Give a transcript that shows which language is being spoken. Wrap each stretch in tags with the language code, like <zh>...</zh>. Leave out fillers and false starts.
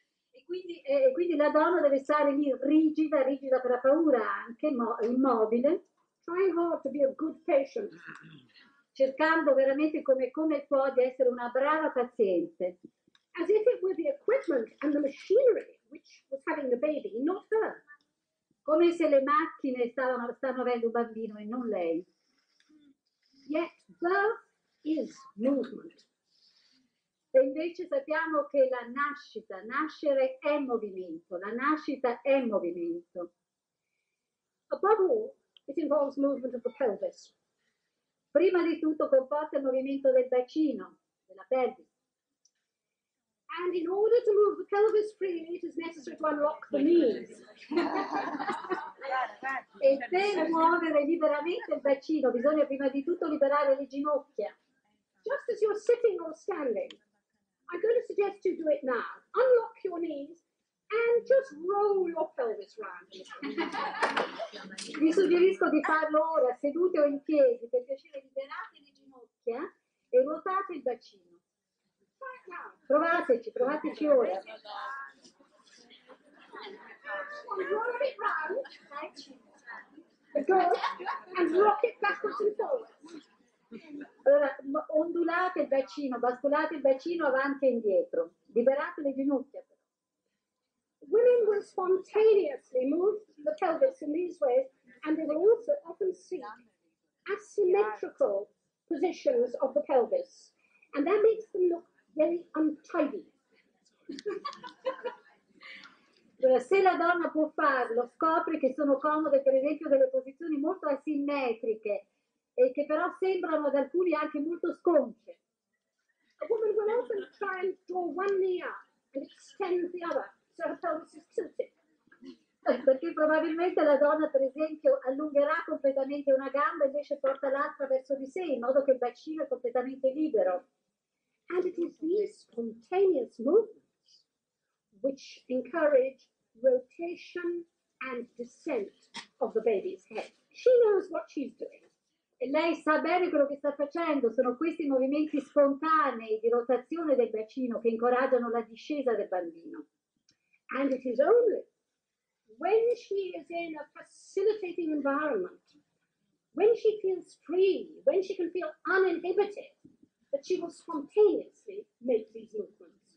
<it>E quindi la donna deve stare lì rigida, rigida per la paura, anche immobile.</it> <en>Trying hard to be a good patient.</en> <it>Cercando veramente come può di essere una brava paziente.</it> <en>As if it were the equipment and the machinery which was having the baby, not her.</en> <it>Come se le macchine stanno avendo un bambino e non lei.</it> <en>Yet birth is movement.</en> <it>E invece sappiamo che la nascita, nascere è movimento. La nascita è movimento.</it> <en>Above all, it involves movement of the pelvis.</en> <it>Prima di tutto comporta il movimento del bacino, della pelvi.</it> <en>And in order to move the pelvis freely, it is necessary to unlock the knees.</en> <it>E per muovere liberamente il bacino bisogna prima di tutto liberare le ginocchia.</it> <en>Just as you're sitting or standing, I'm going to suggest you do it now. Unlock your knees. And just roll your pelvis round.</en> <it>Vi suggerisco di farlo ora, sedute o in piedi, per piacere liberate le ginocchia e ruotate il bacino. Provateci ora.</it> <en>Roll it round. Go and rock it backwards and forwards.</en> <it>Allora, ondulate il bacino, bascolate il bacino avanti e indietro. Liberate le ginocchia.</it> <en>Women will spontaneously move the pelvis in these ways, and they will also often see asymmetrical positions of the pelvis, and that makes them look very untidy.</en> <it>Cioè, se la donna può farlo, scopre che sono comode, per esempio, delle posizioni molto asimmetriche e che però sembrano ad alcuni anche molto sconce.</it> <en>A woman will often try and draw one knee up and extend the other, so her pelvis is tilted.</en> <it>Perché probabilmente la donna, per esempio, allungherà completamente una gamba e invece porta l'altra verso di sé, in modo che il bacino è completamente libero.</it> <en>And it is these spontaneous movements which encourage rotation and descent of the baby's head. She knows what she's doing.</en> <it>E lei sa bene quello che sta facendo, sono questi movimenti spontanei di rotazione del bacino che incoraggiano la discesa del bambino.</it> <en>And it is only when she is in a facilitating environment, when she feels free, when she can feel uninhibited, that she will spontaneously make these movements.</en>